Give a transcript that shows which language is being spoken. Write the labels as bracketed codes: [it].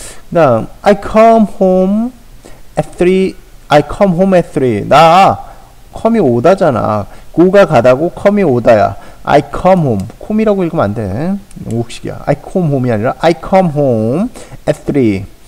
[ko] 그 다음, [en] I come home at 3. [ko] 나, come이 오다잖아. go가 가다고 come이 오다야. [en] I come home. [ko] 홈이라고 읽으면 안 돼. 옥식이야. [en] I come home이 [ko] 아니라 [en] I come home at 3.